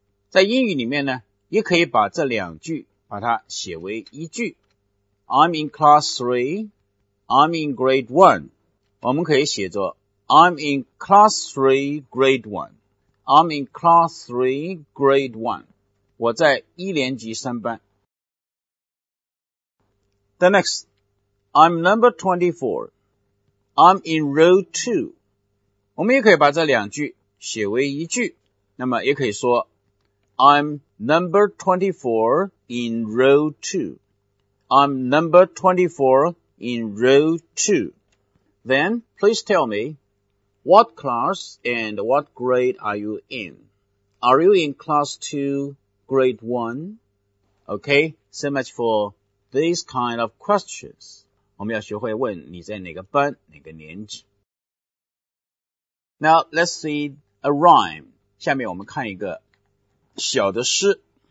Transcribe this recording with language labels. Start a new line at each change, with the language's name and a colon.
Chinese: 在英语里面呢也可以把这两句把它写为一句。
English: I'm in class 3, I'm in grade 1.
Chinese: 我们可以写作
English: I'm in class 3, grade 1. I'm in class 3, grade 1.
Chinese: 我在一年级三班。
English: The next, I'm number 24. I'm in row 2.
Chinese: 我们也可以把这两句写为一句。那么也可以说
English: I'm number 24 in row 2. I'm number 24 in row 2. Then, please tell me, what class and what grade are you in? Are you in class 2, grade 1? Okay, so much for these kind of questions.
Chinese: 我们要学会问你在哪个班、哪个年级。
English: Now, let's see a rhyme.
Chinese: 下面我们看一个小的诗。